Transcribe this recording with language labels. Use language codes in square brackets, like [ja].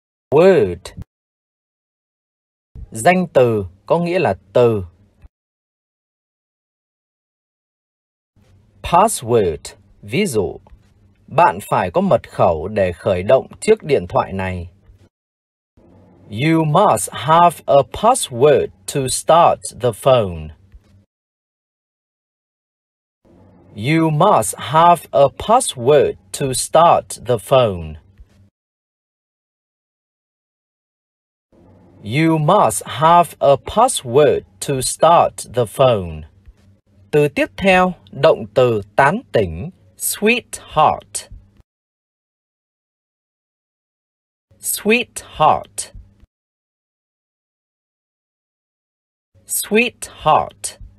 [en] Word. [vi] Danh từ có nghĩa là từ. [en] Password. [vi] Ví dụ, bạn phải có mật khẩu để khởi động chiếc điện thoại này. [en] You must have a password to start the phone. You must have a password to start the phone. You must have a password to start the phone. [vi] Từ tiếp theo, động từ tán tỉnh, sweetheart. [en] Sweetheart. Sweetheart.